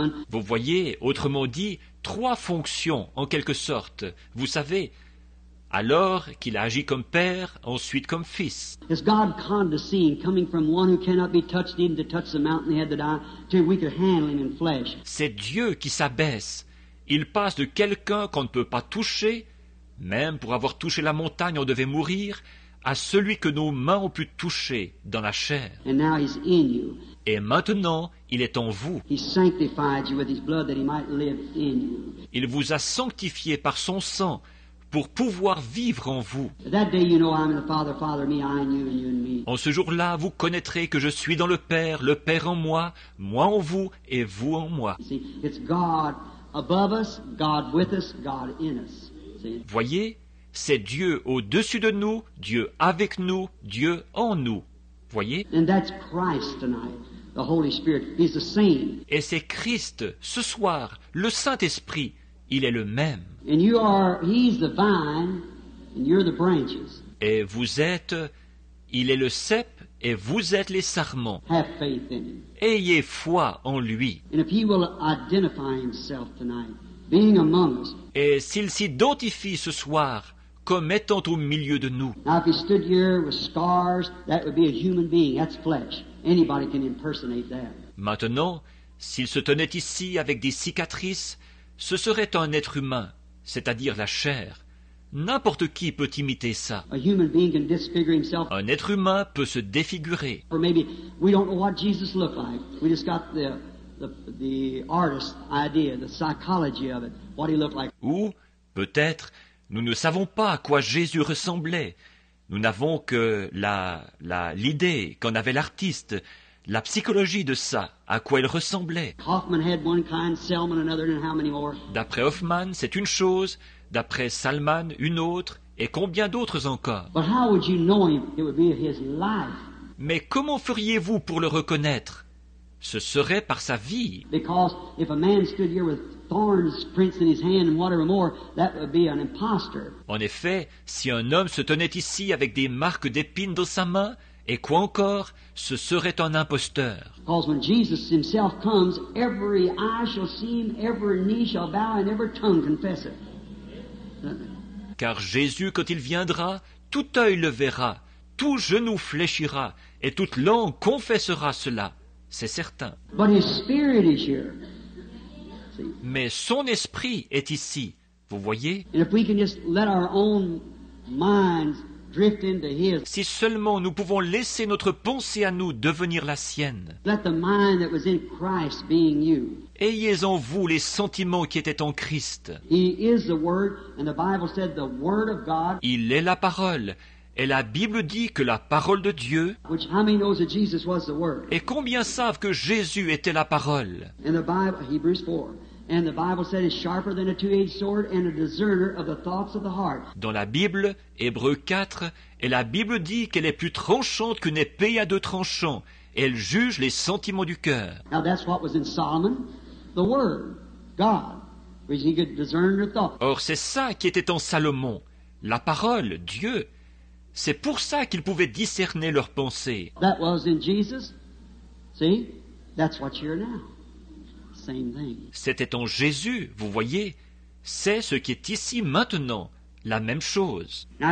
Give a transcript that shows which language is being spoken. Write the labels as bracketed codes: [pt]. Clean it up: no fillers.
[fr] Vous voyez, autrement dit, trois fonctions, en quelque sorte. Vous savez, alors qu'il a agi comme Père, ensuite comme Fils. [en] Is God condescending, coming from one who cannot be touched, even to touch the mountain head that I, till we could handle him in flesh? [fr] C'est Dieu qui s'abaisse. Il passe de quelqu'un qu'on ne peut pas toucher, même pour avoir touché la montagne, on devait mourir, à celui que nos mains ont pu toucher dans la chair. [en] And now he's in you. [fr] Et maintenant, il est en vous. [en] He sanctified you with his blood that he might live in you. [fr] Il vous a sanctifié par son sang pour pouvoir vivre en vous. [en] That day you know I'm in the Father, Father me, I in you, and you in me. [fr] En ce jour-là, vous connaîtrez que je suis dans le Père en moi, moi en vous et vous en moi. [en] You see, it's God above us, God with us, God in us. [fr] Voyez, c'est Dieu au-dessus de nous, Dieu avec nous, Dieu en nous. Voyez. [en] And that's Christ tonight, the Holy Spirit. He's the same. [fr] Et c'est Christ, ce soir, le Saint-Esprit, il est le même. [en] And you are, he's the vine, and you're the branches. [fr] Et vous êtes, il est le cep, et vous êtes les sarments. [en] Have faith in him. [fr] Ayez foi en lui. [en] And if he will identify himself tonight, being among us. [fr] Et s'il s'identifie ce soir comme étant au milieu de nous. [en] Now, if he stood here with scars, that would be a human being. That's flesh. Anybody can impersonate that. [fr] Maintenant, s'il se tenait ici avec des cicatrices, ce serait un être humain, c'est-à-dire la chair. N'importe qui peut imiter ça. [en] A human being can disfigure himself. [fr] Un être humain peut se défigurer. [en] Or maybe we don't know what Jesus looked like. We just got the artist's idea, the psychology of it. What he looked like. [fr] Ou, peut-être, nous ne savons pas à quoi Jésus ressemblait. Nous n'avons que l'idée qu'en avait l'artiste, la psychologie de ça, à quoi il ressemblait. [en] Hoffman had one kind, Selman another, and how many more? [fr] D'après Hoffman, c'est une chose, d'après Salman, une autre, et combien d'autres encore. [en] But how would you know him? It would be his life. [fr] Mais comment feriez-vous pour le reconnaître? Ce serait par sa vie. [en] Because if a man stood here with thorns prints in his hand and whatever more, that would be an impostor. [fr] En effet, si un homme se tenait ici avec des marques d'épines dans sa main, et quoi encore, ce serait un imposteur. [en] Because when Jesus himself comes, every eye shall see him, every knee shall bow, and every tongue confess it. [fr] Car Jésus, quand il viendra, tout œil le verra, tout genou fléchira, et toute langue confessera cela, c'est certain. [en] But his spirit is here. [fr] Mais son esprit est ici, vous voyez? [en] And if we can just let our own minds drift into his. [fr] Si seulement nous pouvons laisser notre pensée à nous devenir la sienne. [en] Let the mind that was in Christ being you. [fr] Ayez en vous les sentiments qui étaient en Christ. [en] He is the Word, and the Bible said the Word of God. [fr] Il est la parole. Et la Bible dit que la parole de Dieu. [en] Which, how many knows that Jesus was the Word? [fr] Et combien savent que Jésus était la parole? [en] In the Bible, Hebrews 4. And the Bible said it's sharper than a two-edged sword and a discerner of the thoughts of the heart. [fr] Dans la Bible, Hébreux 4, et la Bible dit qu'elle est plus tranchante qu'une épée à deux tranchants. Elle juge les sentiments du cœur. [en] Now that's what was in Solomon, the Word, God, which he could discern your thoughts. [fr] Or c'est ça qui était en Salomon, la parole, Dieu. C'est pour ça qu'il pouvait discerner leurs pensées. [en] That was in Jesus. See, that's what you're now. [fr] C'était en Jésus, vous voyez. C'est ce qui est ici maintenant, la même chose.